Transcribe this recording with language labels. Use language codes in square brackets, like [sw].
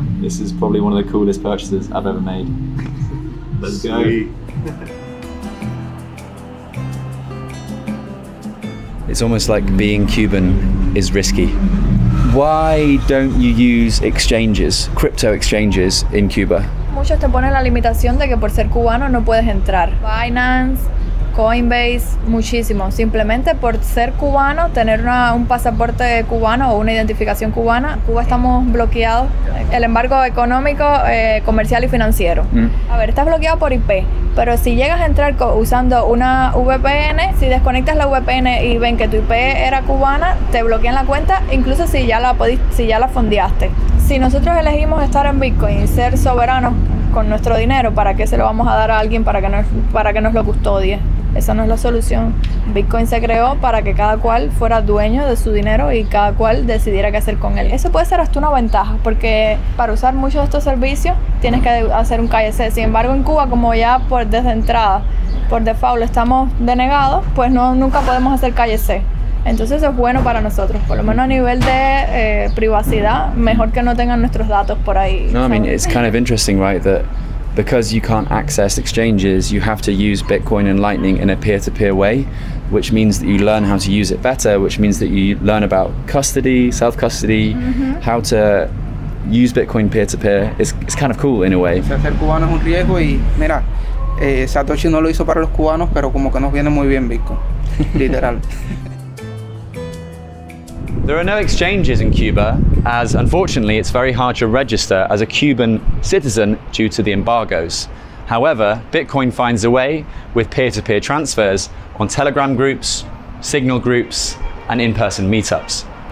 [en] This is probably one of the coolest purchases I've ever made. Let's go. It's almost like being Cuban is risky. Why don't you use exchanges, crypto exchanges in Cuba? [es] muchos te ponen la limitación de que por ser cubano no puedes entrar. Binance, Coinbase, muchísimo. Simplemente por ser cubano, tener un pasaporte cubano o una identificación cubana, en Cuba estamos bloqueados. El embargo económico, comercial y financiero. A ver, estás bloqueado por IP, pero si llegas a entrar usando una VPN, si desconectas la VPN y ven que tu IP era cubana, te bloquean la cuenta, incluso si ya la fondeaste. Si nosotros elegimos estar en Bitcoin y ser soberanos con nuestro dinero, ¿para qué se lo vamos a dar a alguien para que nos lo custodie? Esa no es la solución. Bitcoin se creó para que cada cual fuera dueño de su dinero y cada cual decidiera qué hacer con él. Eso puede ser hasta una ventaja, porque para usar muchos de estos servicios tienes que hacer un KYC. Sin embargo, en Cuba, como ya por default estamos denegados, pues no, nunca podemos hacer KYC. Entonces es bueno para nosotros, por lo menos a nivel de privacidad, mejor que no tengan nuestros datos por ahí. No, ¿sabes? [en] I mean, it's kind of interesting, right, that because you can't access exchanges, you have to use Bitcoin and Lightning in a peer-to-peer way, which means that you learn how to use it better, which means that you learn about custody, self-custody, mm-hmm. how to use Bitcoin peer-to-peer. It's kind of cool in a way. [es] Ser cubano es un riesgo y mira, Satoshi no lo hizo para los cubanos, pero como que nos viene muy bien Bitcoin, literal. [en] There are no exchanges in Cuba, as unfortunately it's very hard to register as a Cuban citizen due to the embargoes. However, Bitcoin finds a way with peer-to-peer transfers on Telegram groups, Signal groups, and in-person meetups.